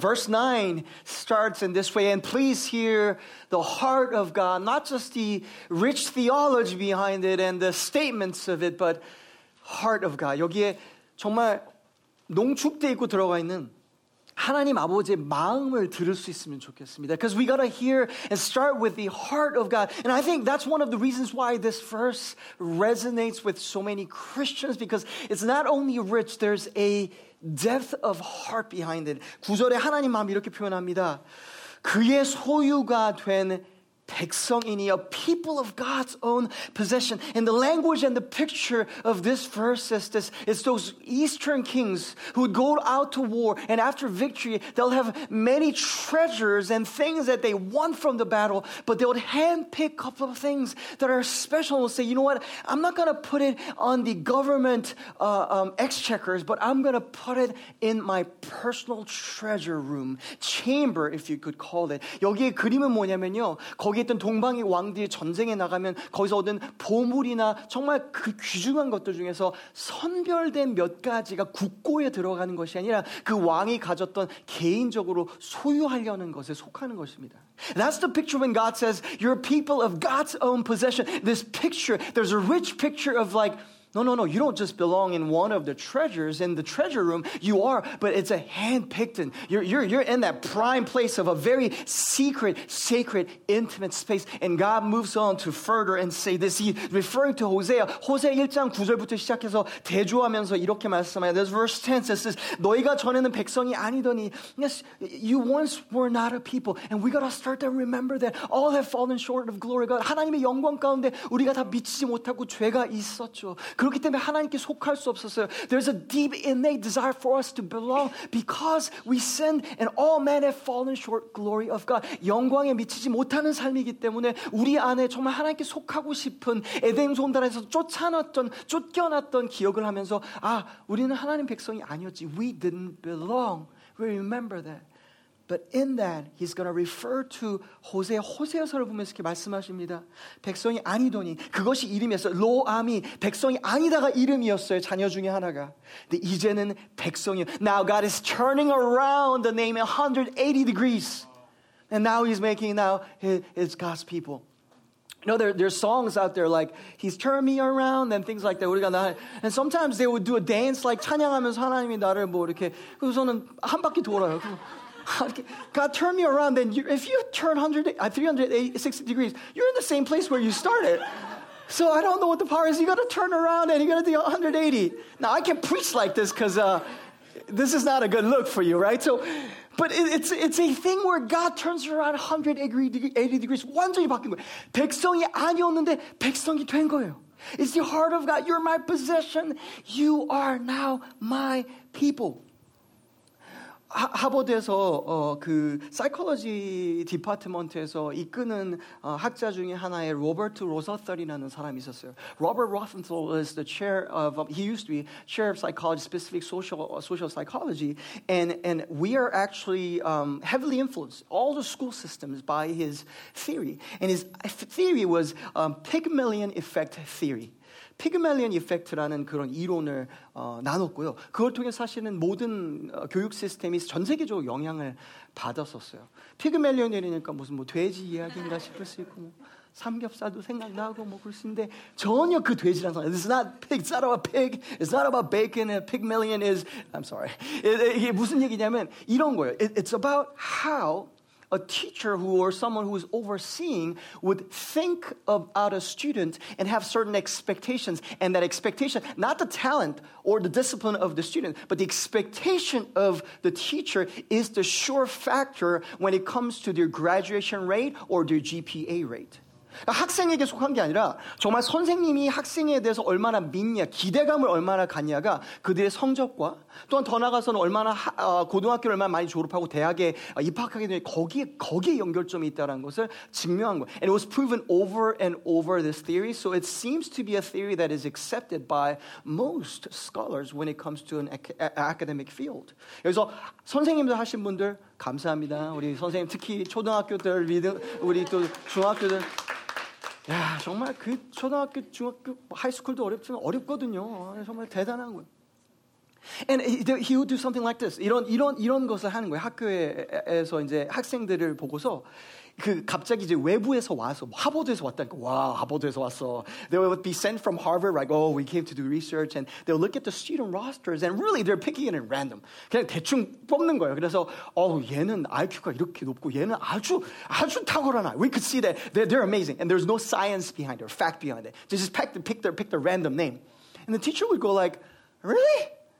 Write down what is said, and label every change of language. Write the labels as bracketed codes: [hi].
[en] Verse 9 starts in this way, and please hear the heart of God, not just the rich theology behind it and the statements of it, but heart of God. [ko] 여기에 정말 농축되어 있고 들어가 있는 하나님 아버지의 마음을 들을 수 있으면 좋겠습니다. [en] Because we got to hear and start with the heart of God. And I think that's one of the reasons why this verse resonates with so many Christians, because it's not only rich, there's a depth of heart behind it. [ko] 구절에 하나님 마음 이렇게 표현합니다. 그의 소유가 된 백성이니, [en] a people of God's own possession. And the language and the picture of this verse is this, it's those eastern kings who would go out to war, and after victory, they'll have many treasures and things that they won from the battle, but they would handpick a couple of things that are special and say, you know what, I'm not going to put it on the government exchequers, but I'm going to put it in my personal treasure room, chamber, if you could call it. [ko] 여기에 그림은 뭐냐면요, 거기 있던 동방의 왕들이 전쟁에 나가면 거기서 얻은 보물이나 정말 그 귀중한 것들 중에서 선별된 몇 가지가 국고에 들어가는 것이 아니라 그 왕이 가졌던 개인적으로 소유하려는 것에 속하는 것입니다. [en] That's the picture when God says you're people of God's own possession. This picture, there's a rich picture of like, No, you don't just belong in one of the treasures in the treasure room. You are, but it's a hand-picked and you're in that prime place of a very secret, sacred, intimate space. And God moves on to further and say this. He's referring to Hosea. [ko] Hosea 1장 9절부터 시작해서 대조하면서 이렇게 말씀해요. [en] There's verse 10 that says, [ko] 너희가 전에는 백성이 아니더니, [en] yes, you once were not a people. And we got to start to remember that all have fallen short of glory. God, [ko] 하나님의 영광 가운데 우리가 다 미치지 못하고 죄가 있었죠. 그렇기 때문에 하나님께 속할 수 없었어요. There's a deep innate desire for us to belong because we sinned and all men have fallen short glory of God. 영광에 미치지 못하는 삶이기 때문에 우리 안에 정말 하나님께 속하고 싶은 에덴 성단에서 쫓겨났던 기억을 하면서 아, 우리는 하나님 백성이 아니었지. [en] We didn't belong. We remember that. But in that, he's going to refer to Hosea. [ko] 호세아서를 보면서 이렇게 말씀하십니다. 백성이 아니더니, 그것이 이름이었어요. 로암이 백성이 아니다가 이름이었어요. 자녀 중에 하나가. 근데 이제는 백성이요. [en] Now God is turning around the name 180 degrees. And now he's making now his God's people. You know, there's songs out there like, he's turned me around and things like that. [ko] 우리가 나, [en] and sometimes they would do a dance like [ko] 찬양하면서 하나님이 나를 뭐 이렇게. 그래서는 한 바퀴 돌아요. [en] God, turn me around. Then you, if you turn 360 degrees, you're in the same place where you started. So I don't know what the power is. You got to turn around and you got to do 180. Now, I can preach like this because this is not a good look for you, right? So, but it's a thing where God turns around 180 degrees. [ko] 완전히 바뀐 거예요. 백성이 아니었는데 백성이 된 거예요. [en] It's the heart of God. You're my possession. You are now my people. [ko] 하버드에서 그 사이콜로지 디파트먼트에서 이끄는 학자 중에 하나의 로버트 로서털이라는 사람이 있었어요. [en] Robert Rosenthal is the chair of he used to be chair of psychology, specific social psychology, and we are actually heavily influenced all the school systems by his theory. And his theory was Pygmalion effect theory. [ko] 피그말리언 이펙트라는 그런 이론을 나눴고요. 그걸 통해 사실은 모든 교육 시스템이 전 세계적으로 영향을 받았었어요. 피그말리언이니까 무슨 뭐 돼지 이야기인가 싶을 수 있고 뭐 삼겹살도 생각나고 뭐 그럴 수 있는데 전혀 그 돼지란 상황. [en] It's not pig. It's not about pig. It's not about bacon. Pygmalion is. I'm sorry. [ko] 이게 무슨 얘기냐면 이런 거예요. [en] It's about how a teacher who or someone who is overseeing would think about a student and have certain expectations, and that expectation, not the talent or the discipline of the student, but the expectation of the teacher is the sure factor when it comes to their graduation rate or their GPA rate. [ko] 학생에게 속한 게 아니라 정말 선생님이 학생에 대해서 얼마나 믿냐, 기대감을 얼마나 갖냐가 그들의 성적과 또한 더 나아가서는 얼마나 고등학교를 얼마나 많이 졸업하고 대학에 입학하게 되는 거기에 연결점이 있다는 것을 증명한 거예요. [en] And it was proven over and over this theory, so it seems to be a theory that is accepted by most scholars when it comes to an academic field. [ko] 그래서 선생님들 하신 분들 감사합니다. 우리 선생님 특히 초등학교들 우리 또 중학교들 야 정말 그 초등학교 중학교 하이스쿨도 어렵지만 어렵거든요. 정말 대단한 거예요. [en] And he would do something like this. [ko] 이런 것을 하는 거예요. 학교에서 이제 학생들을 보고서 그 갑자기 이제 외부에서 와서 하버드에서 왔다니까 와 하버드에서 왔어. [en] They would be sent from Harvard, like, oh, we came to do research, and they'll look at the student rosters, and really, they're picking it at random. [ko] 그냥 대충 뽑는 거예요. 그래서 얘는 IQ가 이렇게 높고 얘는 아주 탁월한 아이. [en] We could see that they're amazing, and there's no science behind it or fact behind it. They just pick their random name, and the teacher would go like, really?